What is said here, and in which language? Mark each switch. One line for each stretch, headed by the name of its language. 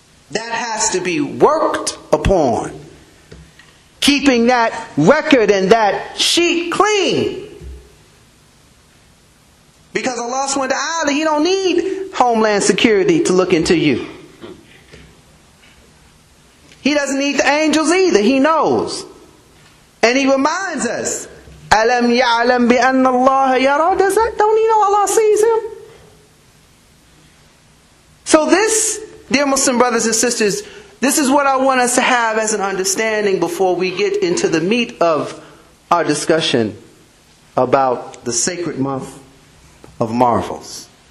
English: That has to be worked upon. Keeping that record and that sheet clean. Because Allah subhanahu wa ta'ala, He don't need Homeland Security to look into you. He doesn't need the angels either. He knows. And He reminds us,
Arabic: أَلَمْ يَعْلَمْ بِأَنَّ اللَّهَ يَرَى.
English: Don't you know Allah sees him? So this, dear Muslim brothers and sisters, this is what I want us to have as an understanding before we get into the meat of our discussion about the sacred month of marvels.